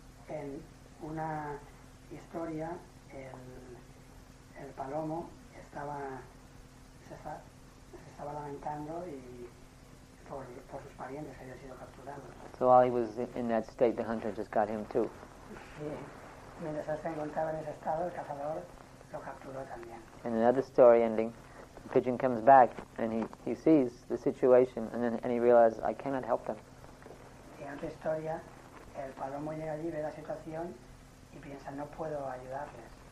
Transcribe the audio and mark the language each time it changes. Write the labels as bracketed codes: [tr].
[es] En una historia, el palomo se estaba lamentando y por sus parientes que habían sido capturados. [en] So while he was in that state, the hunter just got him too. [es] Sí. Mientras se encontraba en ese estado, el cazador lo capturó también. [en] In another story ending, the pigeon comes back and he sees the situation and he realizes, I cannot help them. [es] En otra historia, el palomo llega allí, ve la situación y piensa, no puedo ayudarles.